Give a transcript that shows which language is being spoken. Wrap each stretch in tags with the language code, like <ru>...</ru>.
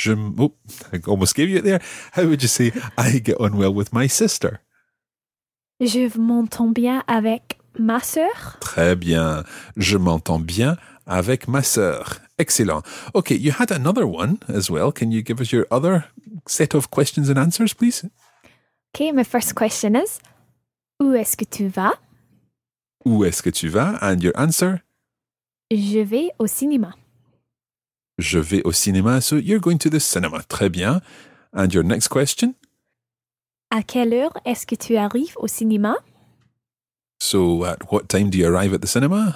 <en>I almost gave you it there. How would you say I get on well with my sister?</en> <fr>Je m'entends bien avec ma sœur. Très bien. Je m'entends bien avec ma sœur. Excellent.</fr> <en>Okay, you had another one as well. Can you give us your other set of questions and answers, please? Okay, my first question is,</en> <fr>où est-ce que tu vas? Où est-ce que tu vas?</fr> <en>And your answer?</en> <fr>Je vais au cinéma. Je vais au cinéma.</fr> <en>So you're going to the cinema.</en> <fr>Très bien.</fr> <en>And your next question?</en> <fr>À quelle heure est-ce que tu arrives au cinéma?</fr> <en>So, at what time do you arrive at the cinema?</en>